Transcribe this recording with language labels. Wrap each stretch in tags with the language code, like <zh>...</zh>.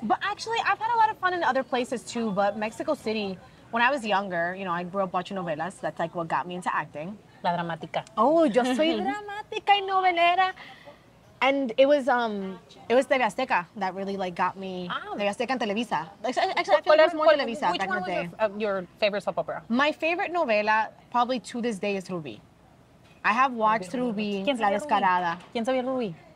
<en>But actually, I've had a lot of fun in other places, too. But Mexico City, when I was younger, you know, I grew up watching novelas. That's like what got me into acting.</en> <es>La dramática. Oh, yo soy dramática y novelera.</es> <en>And it was TV Azteca that really like got me. TV Azteca and Televisa. Actually, I feel like it was more Televisa back in the day. Which one was your favorite soap opera? My favorite novela, probably to this day, is Ruby. I have watched Ruby, La Descarada.</en> <es>¿Quién sabía Ruby?</es>